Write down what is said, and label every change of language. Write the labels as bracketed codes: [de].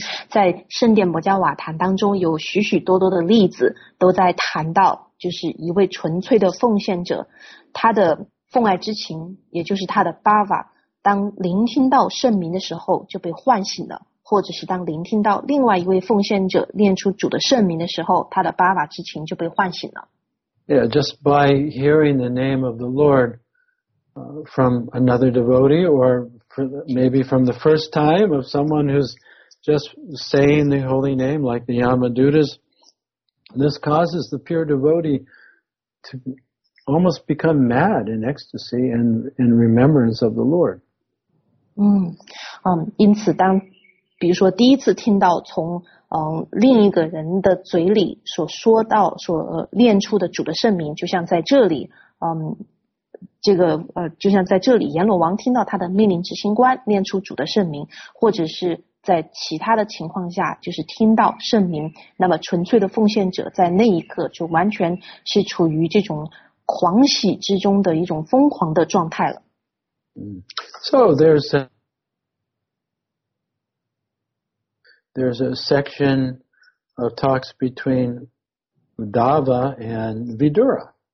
[zh] 在圣殿摩迦瓦坛当中有许许多多的例子都在谈到，就是一位纯粹的奉献者，他的奉爱之情，也就是他的 bhava， 当聆听到圣名的时候就被唤醒了，或者是当聆听到另外一位奉献者念出主的圣名的时候，他的 bhava 之情就被唤醒了。 [en] Yeah, just by hearing the name of the Lord from another devotee orMaybe from the first time of someone who's just saying the holy name, like the Yamadutas, this causes the pure devotee to almost become mad in ecstasy and in remembrance of the Lord. [zh] 因此当比如说第一次听到从另一个人的嘴里所说到所念出的主的圣名，就像在这里，这个就像在这里阎罗王听到他的命令执行官念出主的圣名，或者是在其他的情况下就是听到圣名，那么纯粹的奉献者在那一刻就完全是处于这种狂喜之中的一种疯狂的状态了。 [en] So there's a section of talks between Uddhava and Vidura.